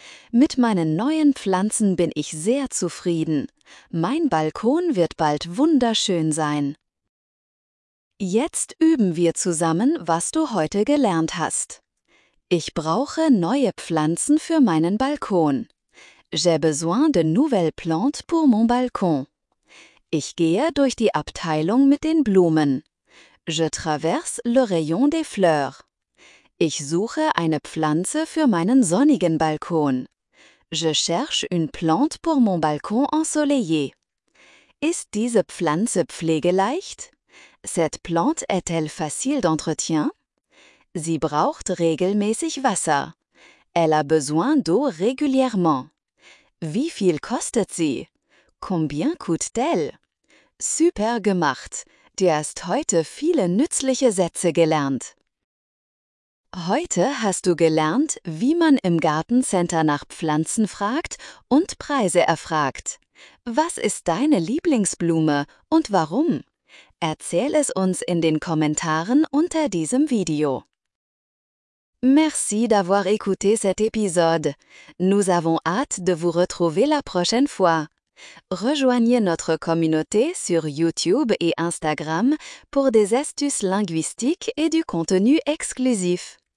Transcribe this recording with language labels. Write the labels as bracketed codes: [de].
[de] Mit meinen neuen Pflanzen bin ich sehr zufrieden. Mein Balkon wird bald wunderschön sein. Jetzt üben wir zusammen, was du heute gelernt hast. Ich brauche neue Pflanzen für meinen Balkon. [fr] J'ai besoin de nouvelles plantes pour mon balcon. [de] Ich gehe durch die Abteilung mit den Blumen. [fr] Je traverse le rayon des fleurs. [de] Ich suche eine Pflanze für meinen sonnigen Balkon. [fr] Je cherche une plante pour mon balcon ensoleillé. [de] Ist diese Pflanze pflegeleicht? [fr] Cette plante est-elle facile d'entretien? [de] Sie braucht regelmäßig Wasser. [fr] Elle a besoin d'eau régulièrement. [de] Wie viel kostet sie? [fr] Combien coûte-t-elle? [de] Super gemacht! Du hast heute viele nützliche Sätze gelernt. Heute hast du gelernt, wie man im Gartencenter nach Pflanzen fragt und Preise erfragt. Was ist deine Lieblingsblume und warum? Erzähl es uns in den Kommentaren unter diesem Video. [fr] Merci d'avoir écouté cet épisode. Nous avons hâte de vous retrouver la prochaine fois. Rejoignez notre communauté sur YouTube et Instagram pour des astuces linguistiques et du contenu exclusif.